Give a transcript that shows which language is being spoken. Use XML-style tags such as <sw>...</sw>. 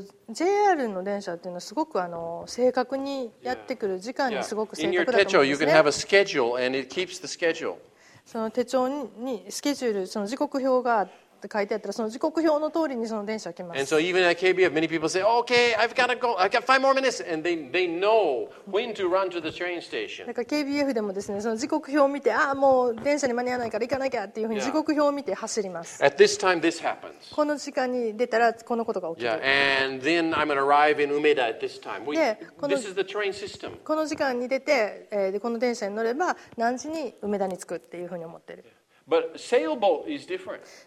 <ja>JR の電車っていうのはすごく正確にやってくる、時間にすごく正確だと思うんですね。</ja> <en>In your 手帳, you can have a schedule and it keeps the schedule.</en> <ja>その手帳にスケジュール、その時刻表が書いてあったら、その時刻表の通りにその電車は来ます。</ja> <en>And so even at KBF, many people say, "Okay, I've got to go. I've got five more minutes." And they know when to run to the train station.</en> <ja>なんか KBF でもですね、その時刻表を見て、ああもう電車に間に合わないから行かなきゃっていうふうに時刻表を見て走ります。</ja> <en>At this time, this happens.</en> <ja>この時間に出たらこのことが起きる。</ja> <en>Yeah, and then I'm going to arrive in Umeda at this time. This is the train system.</en> <ja>この時間に出て、この電車に乗れば何時に梅田に着くっていうふうに思ってる。</ja> <en>But sailboat is different.</en>